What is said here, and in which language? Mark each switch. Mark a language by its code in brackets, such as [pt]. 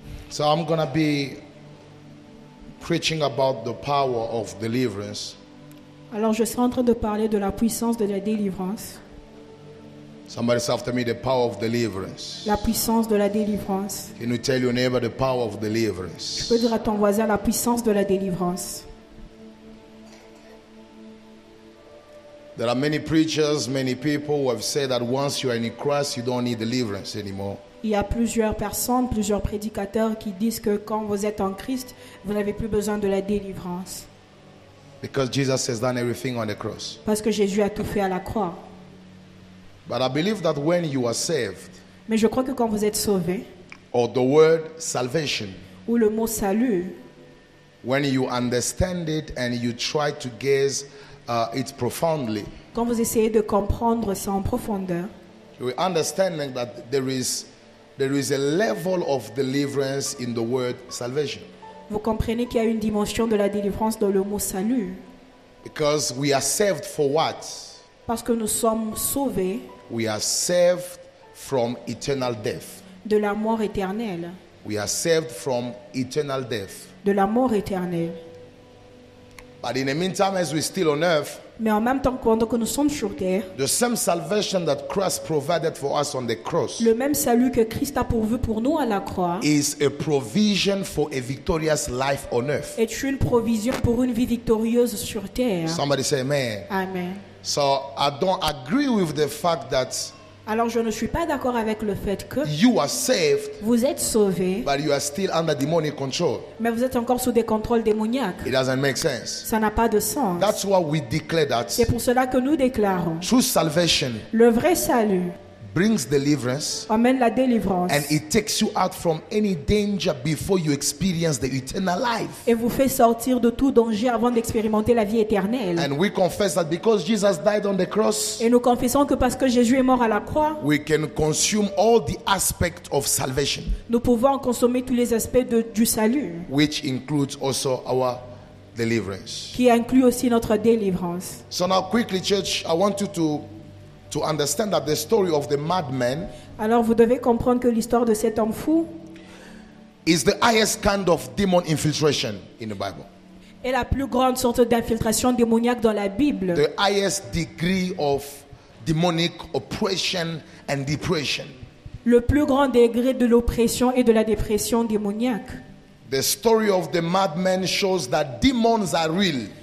[en] So I'm going to be preaching about the power of deliverance. [fr] Alors je serai en train de parler de la puissance de la délivrance. [en] Somebody say after me, the power of deliverance. [fr] La puissance de la délivrance. [en] Can you tell your neighbor the power of deliverance? [fr] Tu peux dire à ton voisin la puissance de la délivrance. [en] There are many preachers, many people who have said that once you are in Christ, you don't need deliverance anymore. [fr] Il y a plusieurs personnes, plusieurs prédicateurs qui disent que quand vous êtes en Christ, vous n'avez plus besoin de la délivrance. [en] Because Jesus has done everything on the cross. [fr] Parce que Jésus a tout fait à la croix. [en] But I believe that when you are saved, [fr] mais je crois que quand vous êtes sauvé, [en] or the word salvation, [fr] ou le mot salut. [en] When you understand it and you try to gaze it profoundly. [fr] Quand vous essayez de comprendre ça en profondeur. [en] You understand that there is a level of deliverance in the word salvation. [fr] Vous comprenez qu'il y a une dimension de la délivrance dans le mot salut. [en] Because we are saved for what? [fr] Parce que nous sommes sauvés. [en] We are saved from eternal death. [fr] De la mort éternelle. [en] We are saved from eternal death. [fr] De la mort éternelle. [en] But in the meantime, as we're still on earth, [fr] mais en même temps que nous sommes sur terre, [en] the same salvation that Christ provided for us on the cross, [fr] le même salut que Christ a pourvu pour nous à la croix, [en] is a provision for a victorious life on earth. [fr] Est une provision pour une vie victorieuse sur terre. [en] Somebody say amen. Amen. So I don't agree with the fact that. [fr] Alors je ne suis pas d'accord avec le fait que [en] you are saved, [fr] vous êtes sauvé, [en] but you are still under demonic control. [fr] Mais vous êtes encore sous des contrôles démoniaques. [en] It doesn't make sense. [fr] Ça n'a pas de sens. [en] That's why we declare that. [fr] C'est pour cela que nous déclarons. [en] True salvation. [fr] Le vrai salut. [en] Brings deliverance. [fr] Amène la délivrance. [en] And it takes you out from any danger before you experience the eternal life. [fr] Et vous fait sortir de tout danger avant d'expérimenter la vie éternelle. [en] And we confess that because Jesus died on the cross. [fr] Et nous confessons que parce que Jésus est mort à la croix. [en] We can consume all the aspects of salvation. [fr] Nous pouvons consommer tous les aspects du salut. [en] Which includes also our deliverance. [fr] Qui inclut aussi notre délivrance. [en] So now quickly, church, I want you to understand that the story of the madman. [fr] Alors vous devez comprendre que l'histoire de cet homme fou [en] is the highest kind of demon infiltration in the Bible. [fr] Est la plus grande sorte d'infiltration démoniaque dans la Bible. [en] The highest degree of demonic oppression and depression. [fr] Le plus grand degré de l'oppression et de la dépression démoniaque. [en] The story of the madman shows that demons are real.